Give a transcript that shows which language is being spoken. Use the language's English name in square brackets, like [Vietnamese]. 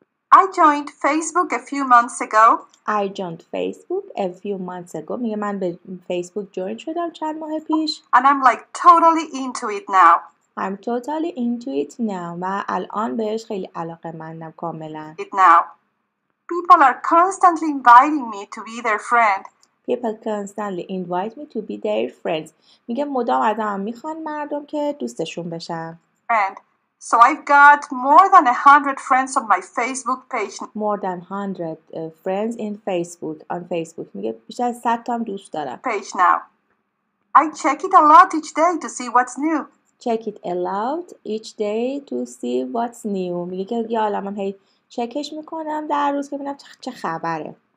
[English] I joined Facebook a few months ago. I joined Facebook a few months ago. [Persian] میگه من به فیسبوک جوین شدم چند ماه پیش. [English] And I'm like totally into it now. I'm totally into it now. [Persian] و الان بهش خیلی علاقه مندم کاملا. [English] It now. People are constantly inviting me to be their friend. People constantly invite me to be their friends. [Persian] میگه مدام ازم میخوان مردم که دوستشون بشم. [English] Friend. So I've got more than 100 friends on my Facebook page. More than 100 friends in Facebook. On Facebook. [Persian] میگه بیشتر از 100 تا هم دوست دارم. [English] Page now. I check it a lot each day to see what's new. Check it a lot each day to see what's new. [Persian] میگه که یه عالمم هی چکش میکنم در روز که ببینم چه خبره.